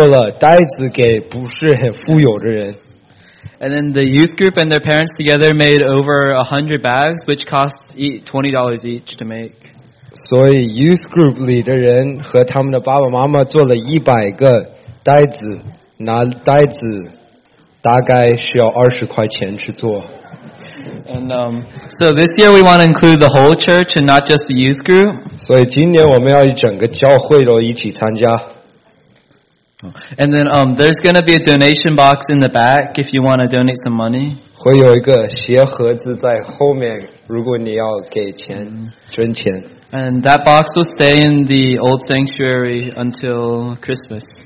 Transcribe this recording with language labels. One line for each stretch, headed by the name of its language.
Chinese: 去年我们做了袋子给不是很富有的人.
English: And then the youth group and their parents together made over 100 bags, which cost $20 each to make.
Chinese: 所以 youth group 里的人和他们的爸爸妈妈做了100个袋子, 拿袋子. 大概需要20块钱去做.
English: And so this year we want to include the whole church and not just the youth group.
Chinese: 所以今年我们要整个教会都一起参加.
English: And then there's going to be a donation box in the back if you want to donate some money.
Chinese: 会有一个鞋盒子在后面，如果你要给钱捐钱。
English: And that box will stay in the old sanctuary until Christmas.